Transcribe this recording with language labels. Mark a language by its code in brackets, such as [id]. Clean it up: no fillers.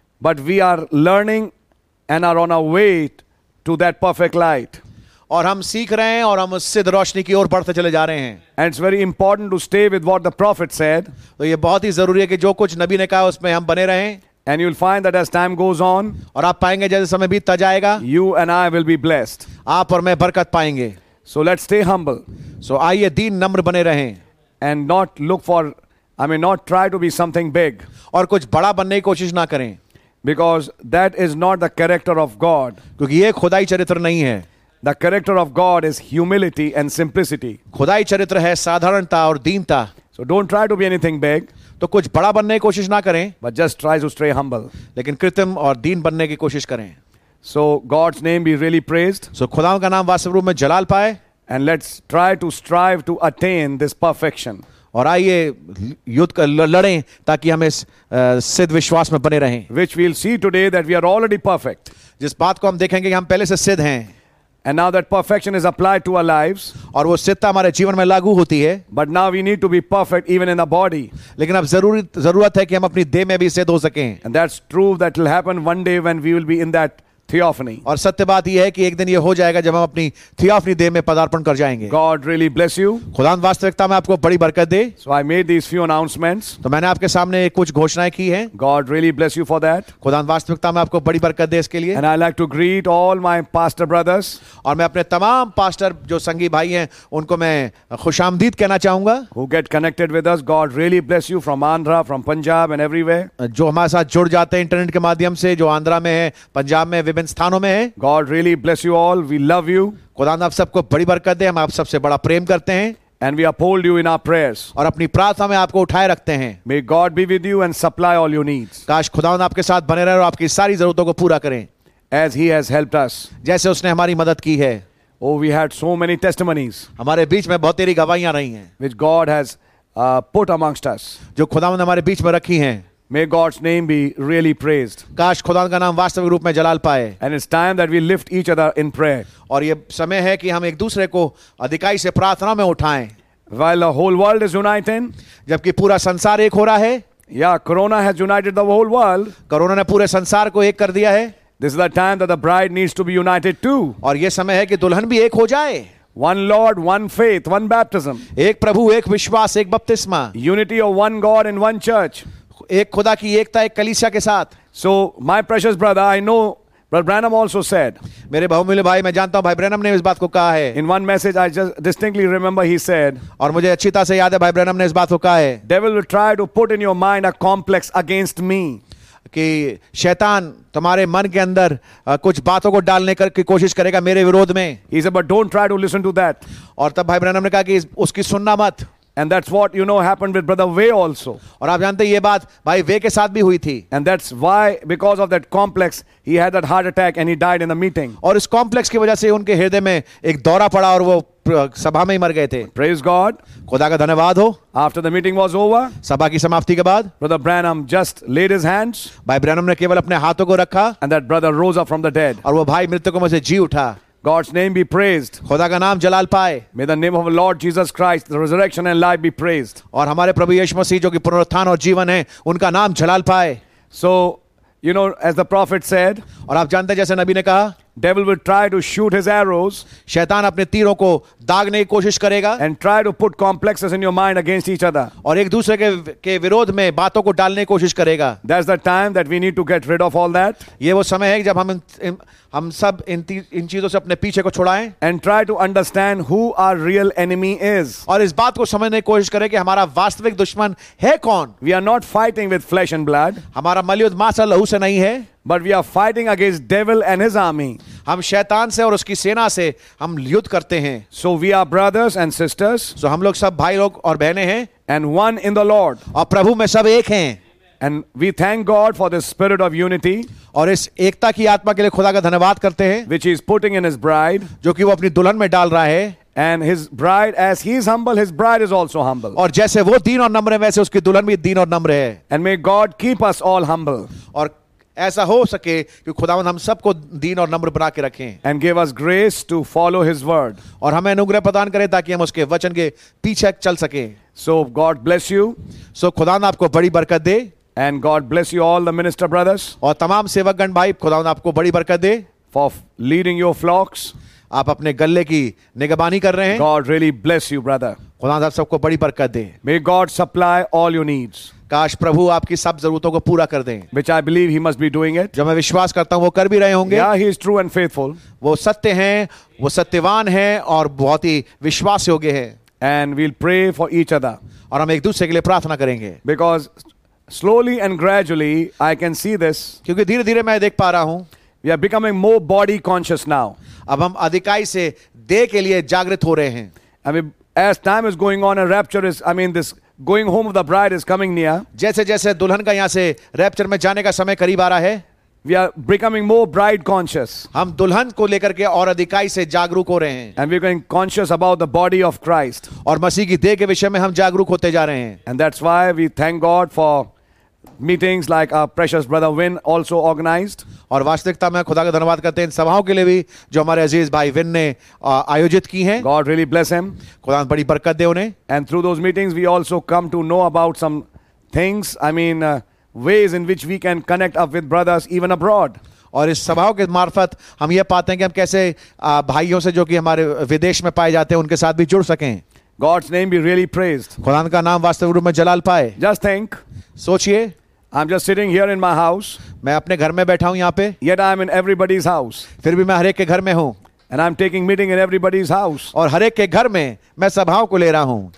[en] But we are learning and are on our way to that perfect light. [hi] और हम सीख रहे हैं और हम उस सिद्ध रोशनी की ओर बढ़ते चले जा रहे हैं. [en] And it's very important to stay with what the prophet said. [hi] तो ये बहुत ही जरूरी है कि जो कुछ नबी ने कहा उसमें हम बने रहें. [en] And you'll find that as time goes on, [hi] और आप पाएंगे जैसे समय बीतता जाएगा, [en] you and I will be blessed. [hi] आप और मैं बरकत पाएंगे. [en] So let's stay humble. [hi] So आइए दीन नम्र बने रहें. [en] And not look for, I mean not try to be something big. [hi] और कुछ बड़ा बनने की कोशिश ना करें. [en] Because that is not the character of God. [hi] क्योंकि ये खुदाई चरित्र नहीं है. [en] The character of God is humility and simplicity. [hi] खुदाई चरित्र है साधारणता और दीनता. [en] So don't try to be anything big. [hi] तो कुछ बड़ा बनने की कोशिश ना करें. [en] But just try to stay humble. [hi] लेकिन कृत्रिम और दीन बनने की कोशिश करें. [en] So God's name be really praised. [hi] So खुदा का नाम वास्तव रूप में जलाल पाए. [en] And let's try to strive to attain this perfection. [hi] और आइए युद्ध कर लड़ें ताकि हम इस सिद्ध विश्वास में बने रहें. [en] Which we'll see today that we are already perfect. [hi] जिस बात को हम देखेंगे कि हम पहले से सिद्ध हैं. [en] And now that perfection is applied to our lives. [hi] और वो सिद्धता हमारे जीवन में लागू होती है. [en] But now we need to be perfect even in the body. [hi] लेकिन अब जरूरत है कि हम अपनी देह में भी सिद्ध हो सकें. [en] And that's true that will happen one day when we will be in that. [hi] और सत्य बात यह है कि एक दिन यह हो जाएगा जब हम अपनी थियोफनी देह में पदार्पण कर जाएंगे. [en] God really bless you. [hi] खुदा वास्तविकता में आपको बड़ी बरकत दे. [en] So I made these few announcements. [hi] तो मैंने आपके सामने कुछ घोषणाएं की हैं. [en] God really bless you for that. [hi] खुदा वास्तविकता में आपको बड़ी बरकत दे इसके लिए. [en] And I like to greet all my pastor brothers. [hi] और मैं अपने तमाम पास्टर जो संगी भाई हैं उनको मैं खुशामदीद कहना चाहूंगा. [en] Who get connected with us. God really bless you from Andhra, from Punjab and everywhere. [hi] जो हमारे साथ जुड़ जाते हैं इंटरनेट के माध्यम से, जो आंध्रा में है, पंजाब में, विभिन्न स्थानों में है. [en] God really bless you all. We love you. [hi] खुदा आप सबको बड़ी बरकत दे. हम आप सबसे बड़ा प्रेम करते हैं. [en] And we uphold you in our prayers. [hi] और अपनी प्रार्थना में आपको उठाए रखते हैं. [en] May God be with you and supply all your needs. [hi] काश खुदा आपके साथ बने रहे और आपकी सारी जरूरतों को पूरा करें. [en] As he has helped us. [hi] जैसे उसने हमारी मदद की है. [en] Oh, we had so many testimonies. [hi] हमारे बीच में बहुत तेरी गवाहियां रही हैं. [en] Which God has put amongst us. [hi] जो खुदा ने हमारे बीच में रखी हैं. [en] May God's name be really praised. [hi] काश खुदा का नाम वास्तविक रूप में जलाल पाए. [en] And it's time that we lift each other in prayer. [hi] और ये समय है कि हम एक दूसरे को अधिकाई से प्रार्थना में उठाएं. [en] While the whole world is united. [hi] जबकि पूरा संसार एक हो रहा है. [en] Yeah, Corona has united the whole world. [hi] Corona ने पूरे संसार को एक कर दिया है. [en] This is the time that the bride needs to be united too. [hi] और ये समय है कि दुल्हन भी एक हो जाए. [en] One Lord, one faith, one baptism. [hi] एक प्रभु, एक विश्वास, एक बपतिस्मा. [en] Unity of one God in one church. [hi] एक खुदा की एकता एक कलीसिया के साथ. [en] So my precious brother, I know brother Branham also said. [hi] मेरे बहुमूल्य भाई, मैं जानता हूं भाई ब्रैनम ने इस बात को कहा है. [en] In one message I just distinctly remember he said. [hi] और मुझे अच्छी तरह से याद है भाई ब्रैनम ने इस बात को कहा है. [en] Devil will try to put in your mind a complex against me. [hi] कि शैतान तुम्हारे मन के अंदर कुछ बातों को डालने की कोशिश करेगा मेरे विरोध में. [en] He said but don't try to listen to that. [hi] और तब भाई ब्रैनम ने कहा कि उसकी सुनना मत. [en] And that's what you know happened with Brother Way also. [hi] और आप जानते हैं ये बात भाई वे के साथ भी हुई थी. [en] And that's why, because of that complex, he had that heart attack and he died in the meeting. [hi] और इस complex की वजह से उनके हृदय में एक दौरा पड़ा और वो सभा में ही मर गए थे. [en] Praise God. [hi] खुदा का धन्यवाद हो. [en] After the meeting was over, [hi] सभा की समाप्ति के बाद, [en] Brother Branham just laid his hands. [hi] भाई ब्रैनम ने केवल अपने हाथों को रखा. [en] And that brother rose up from the dead. [hi] और वो भाई मृतकों में से जी उठा. [en] God's name be praised. [hi] खुदा का नाम जलाल पाए. [en] May the name of the Lord Jesus Christ, the resurrection and life, be praised. [hi] और हमारे प्रभु यीशु मसीह जो कि पुनरुत्थान और जीवन है, उनका नाम जलाल पाए. [en] So, you know, as the prophet said. [hi] और आप जानते हैं जैसे नबी ने कहा. [en] Devil will try to shoot his arrows. [hi] शैतान अपने तीरों को दागने की कोशिश करेगा. [en] And try to put complexes in your mind against each other. [hi] और एक दूसरे के विरोध में बातों को डालने की कोशिश करेगा. [en] That's the time that we need to get rid of all that. [hi] ये वो समय है जब हम सब इन चीजों से अपने पीछे को छुड़ाएं. [en] And try to understand who our real enemy is. [hi] और इस बात को समझने की कोशिश करें कि हमारा वास्तविक दुश्मन है कौन. [en] We are not fighting with flesh and blood. [hi] हमारा मलयुद्ध मांस और लहू से नहीं है. [en] But we are fighting against devil and his army. [hi] हम शैतान से और उसकी सेना से हम युद्ध करते हैं. [en] So we are brothers and sisters. [hi] So हम लोग सब भाई लोग और बहने हैं. [en] And one in the Lord. [hi] और प्रभु में सब एक हैं. [en] And we thank God for the spirit of unity. [hi] और इस एकता की आत्मा के लिए खुदा का धन्यवाद करते हैं. [en] Which he is putting in his bride. [hi] जो कि वो अपनी दुल्हन में डाल रहा है. [en] And his bride, as he is humble, his bride is also humble. [hi] और जैसे वो दीन और नम्र है, वैसे उसकी दुल्हन भी दीन और नम्र है. [en] And may God keep us all humble. [hi] और ऐसा हो सके कि खुदावन हम सबको दीन और नम्र बना के रखें. [en] And give us grace to follow his word. [hi] और हमें अनुग्रह प्रदान करें ताकि हम उसके वचन के पीछे चल सके. [en] So God bless you. [hi] सो खुदा आपको बड़ी बरकत दे. [en] And God bless you all the minister brothers. [hi] और तमाम सेवकगण भाई, खुदा आपको बड़ी बरकत दे. [en] For leading your flocks. [hi] आप अपने गल्ले की निगरानी कर रहे हैं. [en] God really bless you brother. [hi] खुदा आप सबको बड़ी बरकत दे. [en] May God supply all your needs. [hi] काश प्रभु आपकी सब जरूरतों को पूरा कर दें. [en] Which I believe he must be doing it. [hi] जो मैं विश्वास करता हूं वो कर भी रहे होंगे. [en] Yeah, he is true and faithful. [hi] वो सत्य हैं, वो सत्यवान हैं और बहुत ही विश्वास योग्य हैं. [en] And we'll pray for each other. [hi] और हम एक दूसरे के लिए प्रार्थना करेंगे. [en] Because slowly and gradually I can see this. [hi] क्योंकि धीरे धीरे मैं देख पा रहा हूं. [en] We are becoming more body conscious now. [hi] अब हम अधिकाई से देह के लिए जागृत हो रहे हैं. [en] As time is going on, a rapture is, I mean this going home of the bride is coming near. [hi] जैसे जैसे दुल्हन का यहां से रैप्चर में जाने का समय करीब आ रहा है. [en] We are becoming more bride conscious. [hi] हम दुल्हन को लेकर के और अधिकाई से जागरूक हो रहे हैं. [en] And we are getting conscious about the body of Christ. [hi] और मसीह की देह के विषय में हम जागरूक होते जा रहे हैं. [en] And that's why we thank God for meetings like our precious brother Win also organized. [hi] और वास्तविकता में खुदा का धन्यवाद करते हैं इन सभाओं के लिए भी जो हमारे अजीज भाई विन ने आयोजित की हैं. [en] God really bless him. [hi] खुदा बड़ी बरकत दे उन्हें. [en] And through those meetings we also come to know about some things. I mean ways in which we can connect up with brothers even abroad. [hi] और इस सभाओं के मार्फत हम ये पाते हैं कि हम कैसे भाइयों से जो कि हमारे विदेश में पाए जाते हैं उनके साथ भी जुड़ सकें. [en] God's name be really praised. [hi] खुदा का नाम वास्तविक रूप में जलाल पाए. [en] Just think. [hi] सोचिए. [en] I'm just sitting here in my house. [hi] मैं अपने घर में बैठा हूँ यहाँ पे. [en] Yet I'm in everybody's house. [hi] फिर भी मैं हर एक के घर में हूँ. [en] And I'm taking meeting in everybody's house. [hi] और हर एक के घर में मैं सभाओं को ले रहा हूँ.